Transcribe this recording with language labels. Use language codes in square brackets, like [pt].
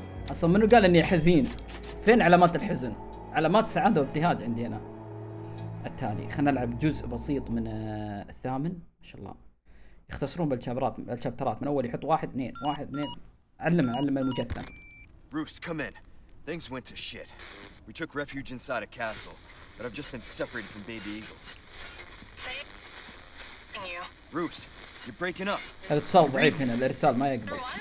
[ar] اصلا منو قال اني حزين؟ فين علامات الحزن؟ علامات سعاده وابتهاج عندي انا. التالي خلنا نلعب جزء بسيط من الثامن. ما شاء الله يختصرون بالشابترات من اول يحط واحد اثنين. علمها المجثم. [en] Roos come in. Things went to shit. We took refuge inside a castle, but I've just been separated from baby eagle. Say you. Roos, you're breaking up. [ar] الاتصال ضعيف هنا، الارسال ما يقبل.